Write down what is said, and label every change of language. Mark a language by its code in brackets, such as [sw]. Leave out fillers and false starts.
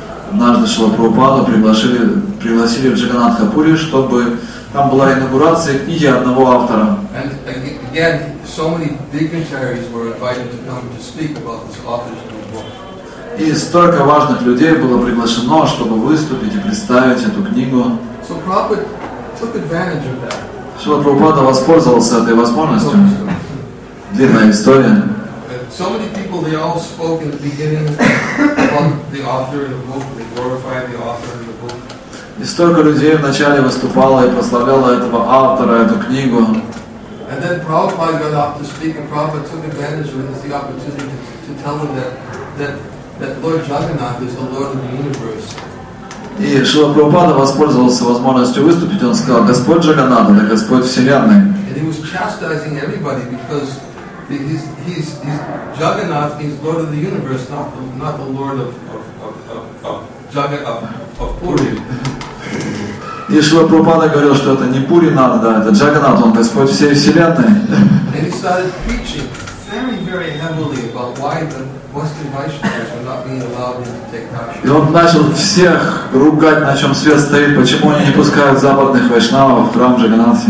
[ru] Однажды Шрила Прабхупаду пригласили в Джаганнатхапуре, чтобы там была инаугурация книги одного автора. [en] Again, so many dignitaries were invited to come to speak about this author's new book. [ru] И столько важных людей было приглашено, чтобы выступить и представить эту книгу. [en] So Prabhupada took advantage of that. [ru] Шрила Прабхупада воспользовался этой возможностью. Длинная история. [en] So many people, they all spoke in the beginning about the author and the book. They glorified the author and the book. [ru] И столько людей вначале выступало и прославляло этого автора, эту книгу. [en] And then Prabhupada got up to speak, and Prabhupada took advantage of the opportunity to tell them that Lord Jagannath is the Lord of the universe. [ru] И Шрила Прабхупада воспользовался возможностью выступить, он сказал, Господь Джаганнат, это Господь Вселенной. [en] And he was chastising everybody because he's Jagannath, he's Lord of the universe, not the Lord of Puri. [ru] И Шрила Прабхупада говорил, что это не Пури надо, да, это Джаганнат, он Господь всей Вселенной. [en] And he started preaching very, very heavily about why the Western Vaishnavas were not being allowed him to take darshan. [ru] И он начал всех ругать, на чем свет стоит, почему они не пускают западных вайшнавов в храм Джаганнатхи.